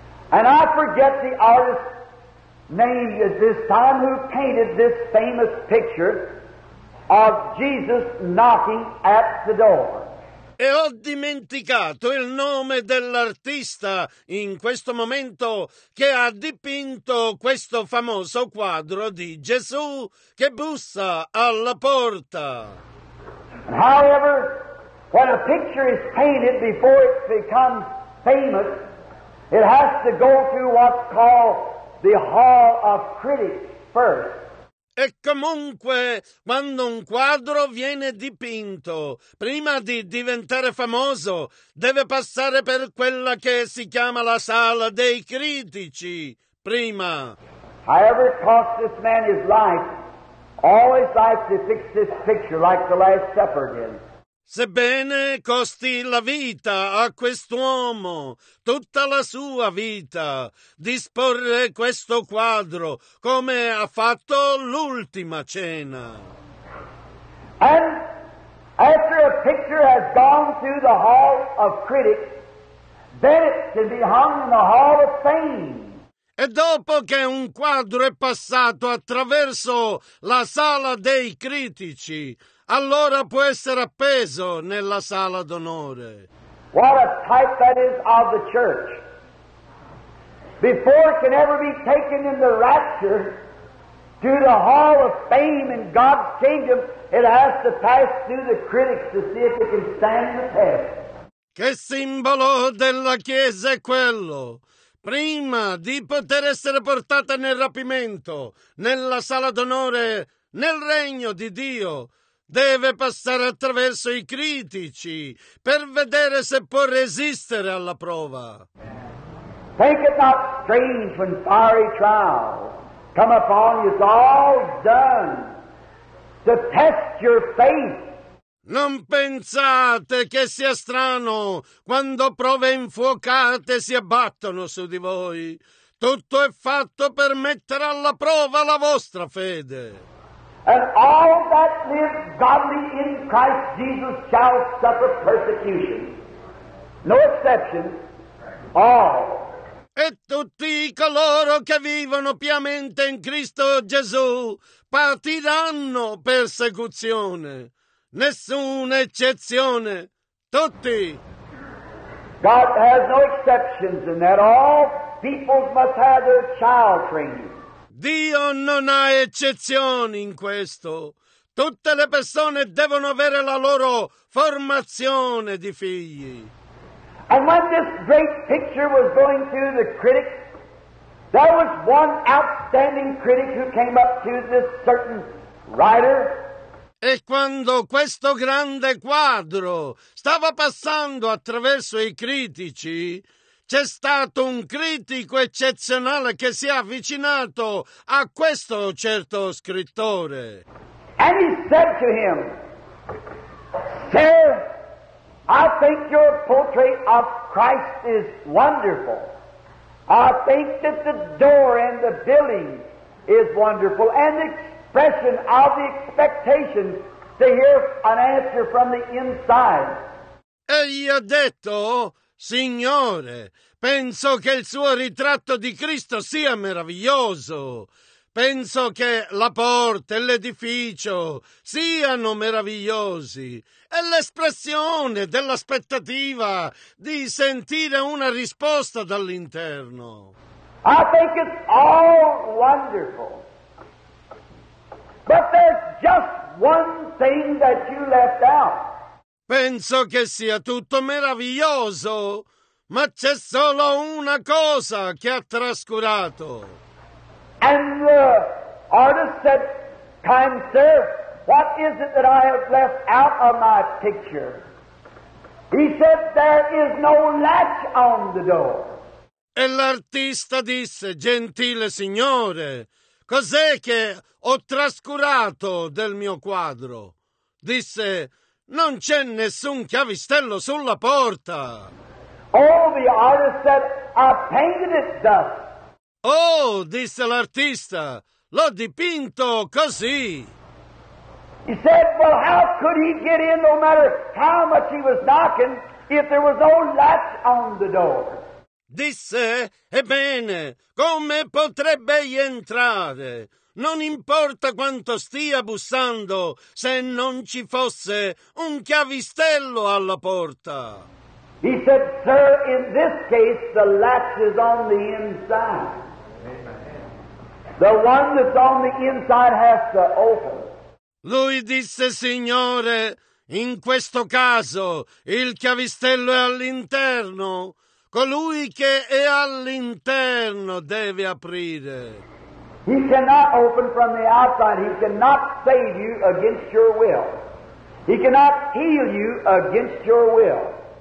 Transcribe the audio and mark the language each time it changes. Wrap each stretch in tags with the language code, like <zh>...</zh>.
<en>And I forget the artist's name at this time who painted this famous picture of Jesus knocking at the door.</en> <it>E ho dimenticato il nome dell'artista in questo momento che ha dipinto questo famoso quadro di Gesù che bussa alla porta.</it> <en>However, when a picture is painted before it becomes famous, it has to go through what's called the Hall of Critics first.</en> <it>E comunque, quando un quadro viene dipinto, prima di diventare famoso, deve passare per quella che si chiama la sala dei critici, prima.</it> <en>However, it cost this man his life, all his life to fix this picture like the Last Supper did.</en> <it>Sebbene costi la vita a quest'uomo, tutta la sua vita, disporre questo quadro come ha fatto l'ultima cena.</it> <en>And after a picture has gone through the Hall of Critics, then it can be hung in the Hall of Fame.</en> <it>E dopo che un quadro è passato attraverso la sala dei critici, allora può essere appeso nella sala d'onore.</it> <en>What a type that is of the church. Before it can ever be taken in the rapture to the Hall of Fame in God's kingdom, It has to pass through the critics to see if it can stand the test.</en> <it>Che simbolo della Chiesa è quello? Prima di poter essere portata nel rapimento, nella sala d'onore, nel regno di Dio, deve passare attraverso i critici per vedere se può resistere alla prova.</it> <en>Think it not strange when fiery trials come upon you, it's all done to test your faith.</en> <it>Non pensate che sia strano quando prove infuocate si abbattono su di voi. Tutto è fatto per mettere alla prova la vostra fede.</it> <en>And all that live godly in Christ Jesus shall suffer persecution. No exception. All.</en> <it>E tutti coloro che vivono piamente in Cristo Gesù patiranno persecuzione. Nessuna eccezione. Tutti.</it> <en>God has no exceptions in that. All people must have their child training.</en> <it>Dio non ha eccezioni in questo. Tutte le persone devono avere la loro formazione di figli.</it> <en>And when this great picture was going through the critics, there was one outstanding critic who came up to this certain writer.</en> <it>E quando questo grande quadro stava passando attraverso i critici, c'è stato un critico eccezionale che si è avvicinato a questo certo scrittore.</it> <en>And he said to him, "Sir, I think your portrait of Christ is wonderful. I think that the door and the building is wonderful, and the expression of the expectation to hear an answer from the inside."</en> <it>E gli ha detto, "Signore, penso che il suo ritratto di Cristo sia meraviglioso. Penso che la porta e l'edificio siano meravigliosi. E l'espressione dell'aspettativa di sentire una risposta dall'interno."</it> <en>I think it's all wonderful. But there's just one thing that you left out.</en> <it>Penso che sia tutto meraviglioso, ma c'è solo una cosa che ha trascurato.</it> <en>And the artist said, "Kind sir, what is it that I have left out of my picture?" He said, "There is no latch on the door."</en> <it>E l'artista disse, "Gentile signore, cos'è che ho trascurato del mio quadro?" Disse, "Non c'è nessun chiavistello sulla porta."</it> <en>Oh, the artist said, "I painted it thus."</en> <it>Oh, disse l'artista, "l'ho dipinto così."</it> <en>He said, "Well, how could he get in no matter how much he was knocking if there was no latch on the door?"</en> <it>Disse, "Ebbene, come potrebbe egli entrare? Non importa quanto stia bussando se non ci fosse un chiavistello alla porta."</it> <en>He said, "Sir, in this case the latch is on the inside. The one that's on the inside has to open."</en> <it>Lui disse, "Signore, in questo caso il chiavistello è all'interno. Colui che è all'interno deve aprire."</it> <en>He cannot open from the outside. He cannot save you against your will. He cannot heal you against your will.</en>